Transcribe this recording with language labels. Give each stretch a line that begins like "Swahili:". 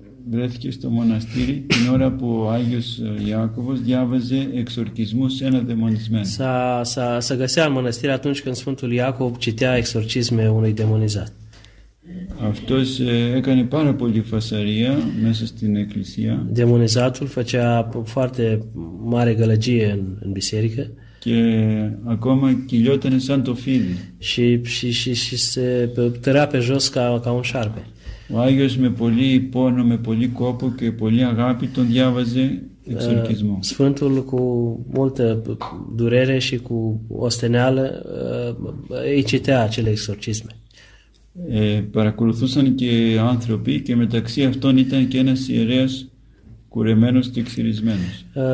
Greek: Βρέθηκε στο μοναστήρι την ώρα που ο Άγιος Ιάκωβος διάβαζε εξορκισμού σε ένα δαιμονισμένο.
Romanian: S-a găsea în mănăstire atunci când Sfântul Iacob citea exorcisme unui demonizat.
Greek: Αυτός έκανε πάρα πολύ φασαρία μέσα στην εκκλησία.
Romanian: Demonizatul făcea foarte mare gălăgie în biserică.
Greek: Και ακόμα κυλιότανε σαν το φίδι.
Romanian: Și se tărea pe jos ca un șarpe.
Greek: Ο Άγιος με πολύ πόνο, με πολύ κόπο και πολύ αγάπη τον διάβαζε εξορκισμό.
Romanian: Sfântul cu multă durere și cu osteneală îi citea acele exorcisme.
Greek: Παρακολουθούσαν και άνθρωποι και μεταξύ αυτών ήταν και ένας ιερέας κουρεμένος και ξυρισμένος.